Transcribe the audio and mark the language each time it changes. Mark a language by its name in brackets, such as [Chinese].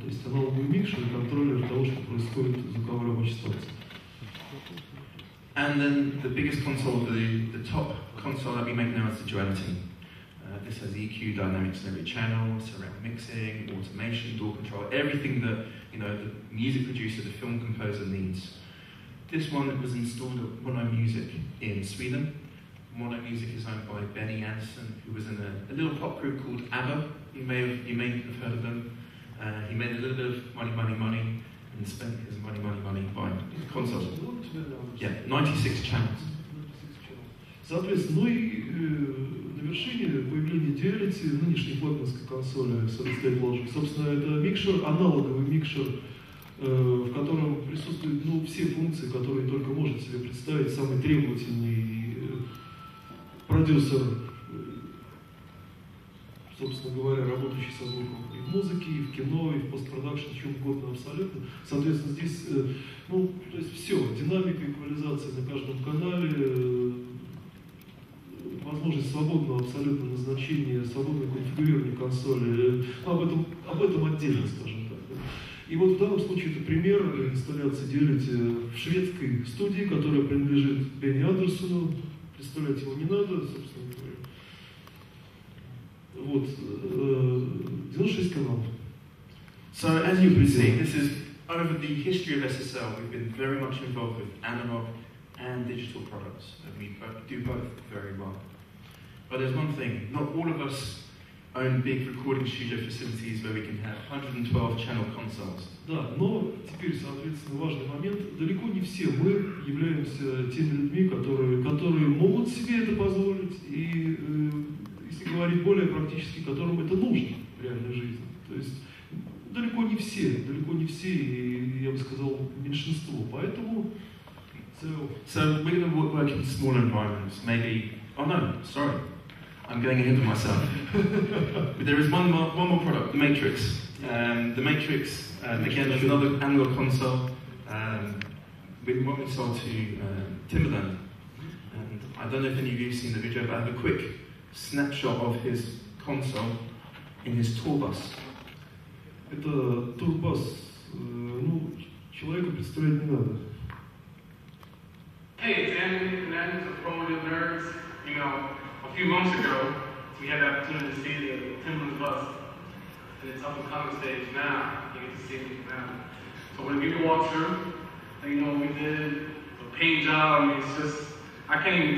[Russian] То есть аналоговый микшер и контроллер того, что происходит в звуковой рабочей станции. [English] And then the biggest console, the top console that we make now is the Duality. This has EQ, dynamics in every channel, surround mixing, automation, door control, everything that, you know, the music producer, the film composer needs. This one was installed at Mono Music in Sweden. Mono Music is owned by Benny Anderson, who was in a little pop group called ABBA. You may have heard of them. He made a little bit of money, money, money, and spent his money, money, money buying consoles. Yeah, 96 channels. [Russian] Соответственно, ну и на вершине появление Duality, нынешней флагманской консоли SolidStateLogic. Собственно, это микшер, аналоговый микшер, в котором присутствуют, ну, все функции, которые только может себе представить самый требовательный продюсер, собственно говоря, работающий со звуком и в музыке, и в кино, и в постпродакшн, чем угодно абсолютно. Соответственно, здесь, ну, то есть все, динамика, эквализация на каждом канале, возможность свободного абсолютно назначения, свободное конфигурирование консоли, об этом отдельно, скажем так. И вот в данном случае это пример инсталляции Duality в шведской студии, которая принадлежит Бенни Андерсону. Представлять его не надо, собственно говоря. Вот, 96 каналов. [English] So, as you can see, this is over the history of SSL. We've been very much involved with analog and digital products, and we do both very well. But there's one thing, not all of us own big recording studio facilities where we can have 112 channel consoles. [Russian] Да, но теперь, соответственно, важный момент. Далеко не все мы являемся теми людьми, которые могут себе это позволить, и, если говорить более практически, которым это нужно в реальной жизни. То есть далеко не все, и, я бы сказал, меньшинство. Поэтому... [English] So we're going to work in small environments, maybe... Oh no, sorry. I'm getting ahead of myself. But there is one more product, the Matrix. The Matrix, again, is another analog console. We sold to Timberland. And I don't know if any of you have seen the video, but I have a quick snapshot of his console in his tour bus. [Russian] Это [English] tour bus. [Russian] Ну, человеку представить не надо. [English] Nathan to throw on your nerves. You know, a few months ago, we had the opportunity to see the Timberlands bus in its up and coming stage. Now, you get to see it now. So we're gonna give you a walkthrough. And you know, we did the paint job. I mean, it's just, I can't even.